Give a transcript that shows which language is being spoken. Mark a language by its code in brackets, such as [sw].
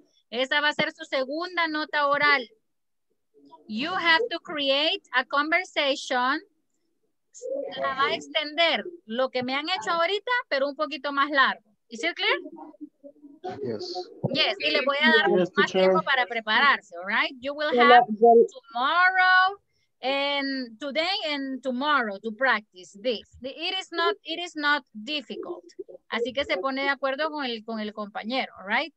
[es] Esa va a ser su segunda nota oral. [en] You have to create a conversation. [es] La va a extender lo que me han hecho ahorita, pero un poquito más largo. [en] ¿Is it clear? Yes. [es] Yes, y le voy a dar más tiempo para prepararse. [en] All right? You will have tomorrow and today and tomorrow to practice this. It is not difficult. [es] Así que se pone de acuerdo con el compañero, right?